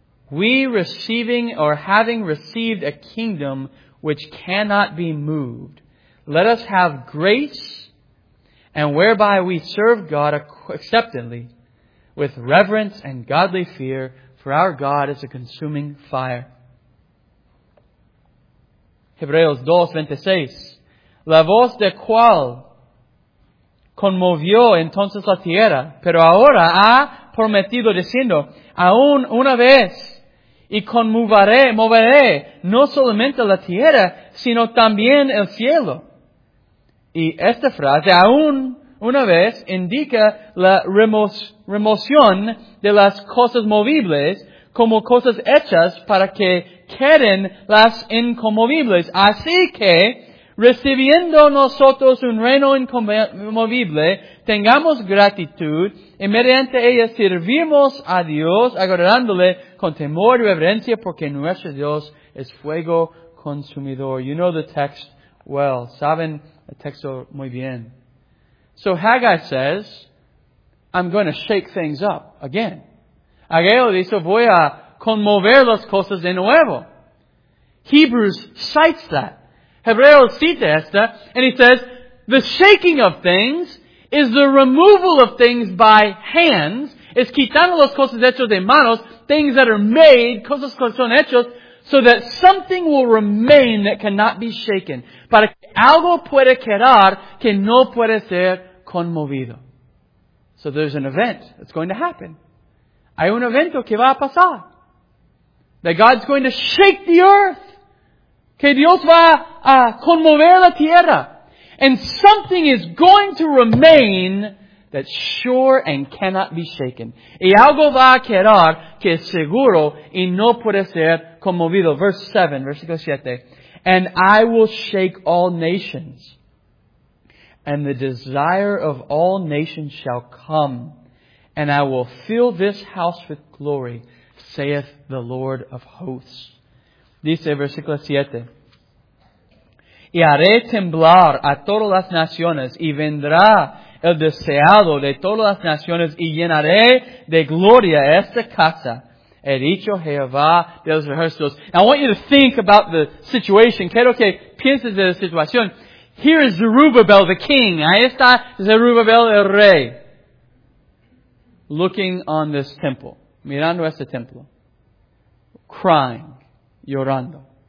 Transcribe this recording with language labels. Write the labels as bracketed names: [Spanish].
[English] We receiving or having received a kingdom which cannot be moved, let us have grace and whereby we serve God acceptably with reverence and godly fear, for our God is a consuming fire. [Spanish] Hebreos 2:26. La voz de cual conmovió entonces la tierra, pero ahora ha prometido diciendo, aún una vez, y moveré no solamente la tierra, sino también el cielo. Y esta frase, aún una vez, indica la remoción de las cosas movibles como cosas hechas para que queden las inconmovibles. Así que, recibiendo nosotros un reino inconmovible, tengamos gratitud y mediante ella servimos a Dios, agradándole con temor y reverencia, porque nuestro Dios es fuego consumidor. [English] You know the text well. [Spanish] Saben el texto muy bien. [English] So Haggai says, I'm going to shake things up again. [Spanish] Haggai dice, voy a conmover las cosas de nuevo. [English] Hebrews cites that. [Spanish] Hebreos cita esta, [English] and he says, the shaking of things is the removal of things by hands, [Spanish] es quitando las cosas hechas de manos, [English] things that are made, [Spanish] cosas que son hechas, [English] so that something will remain that cannot be shaken. [Spanish] Para que algo puede quedar que no puede ser conmovido. [English] So there's an event that's going to happen. [Spanish] Hay un evento que va a pasar. [English] That God's going to shake the earth. [Spanish] Que Dios va a conmover la tierra. [English] And something is going to remain that's sure and cannot be shaken. [Spanish] Y algo va a quedar que es seguro y no puede ser conmovido. [English] Verse 7, [Spanish] versículo 7. [English] And I will shake all nations. And the desire of all nations shall come. And I will fill this house with glory, saith the Lord of hosts. [Spanish] Dice versículo 7. Y haré temblar a todas las naciones, y vendrá el deseado de todas las naciones, y llenaré de gloria esta casa. He dicho Jehová de los ejércitos. [English] Now I want you to think about the situation. [Spanish] Quiero que pienses de la situación. [English] Here is Zerubbabel, the king. [Spanish] Ahí está Zerubbabel, el rey. [English] Looking on this temple. [Spanish] Mirando este templo. [English] Crying. [Spanish] Llorando.